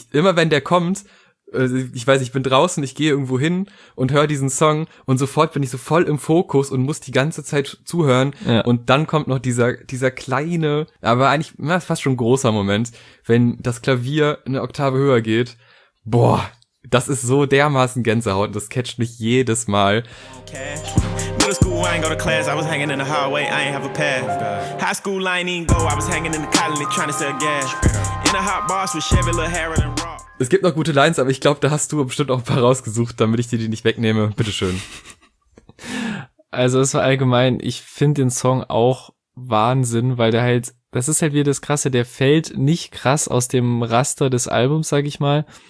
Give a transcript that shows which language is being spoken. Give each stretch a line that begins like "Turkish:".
German: Immer wenn der kommt, ich weiß, ich bin draußen, ich gehe irgendwo hin und höre diesen Song und sofort bin ich so voll im Fokus und muss die ganze Zeit zuhören. Ja. Und dann kommt noch dieser kleine, aber eigentlich fast schon großer Moment, wenn das Klavier eine Oktave höher geht. Boah, das ist so dermaßen Gänsehaut, das catcht mich jedes Mal.
English: Middle school, I ain't go to class, I was hanging in the hallway, I ain't have a path. High school, I ain't even go, I was hanging in the college, trying to sell gas. In a hot boss with Chevy, little Harold and Rock.
German: Es gibt noch gute Lines, aber ich glaube, da hast du bestimmt auch ein paar rausgesucht, damit ich dir die nicht wegnehme. Bitteschön. Also es war allgemein, ich finde den Song auch Wahnsinn, weil der halt, das ist halt wieder das Krasse, der fällt nicht krass aus dem Raster des Albums, sag ich mal.